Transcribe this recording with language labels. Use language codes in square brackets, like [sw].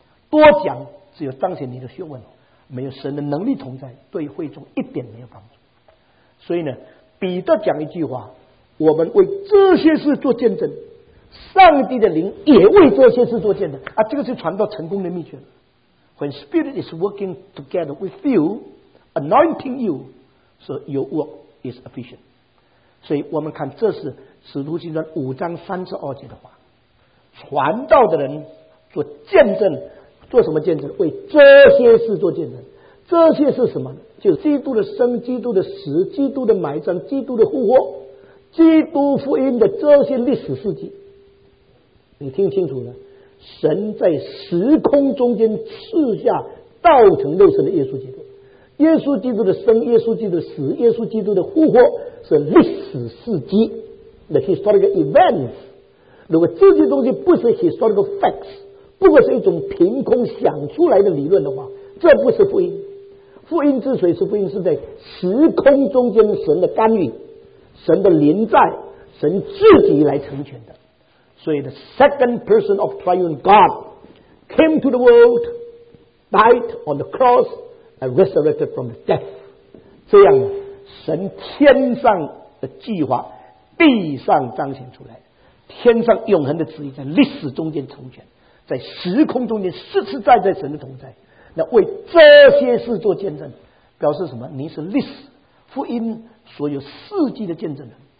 [zh] 多讲只有彰显你的学问，没有神的能力同在，对会众一点没有帮助。所以呢，彼得讲一句话，我们为这些事做见证，上帝的灵也为这些事做见证啊！这个是传道成功的秘诀。 [en] When Spirit is working together with you, anointing you, so your work is efficient. [zh] 所以我们看这是使徒行传五章三十二节的话，传道的人做见证，做什么见证？为这些事做见证。这些是什么？就是基督的生、基督的死、基督的埋葬、基督的复活、基督福音的这些历史事迹。你听清楚了，神在时空中间赐下道成肉身的耶稣基督，耶稣基督的生、耶稣基督的死、耶稣基督的复活是历史事迹 ， [en] the historical events。 [zh] 如果这些东西不是 [en] historical facts， [zh] 不过是一种凭空想出来的理论的话，这不是福音。福音之所以是福音，是在时空中间神的干预、神的临在、神自己来成全的。 [en] 所以 the second person of triune God came to the world, died on the cross, and resurrected from the death. [zh] 这样神天上的计划地上彰显出来，天上永恒的旨意在历史中间成全，在时空中间实实在在神的同在。那为这些事做见证表示什么？你是历史福音所有事迹的见证人。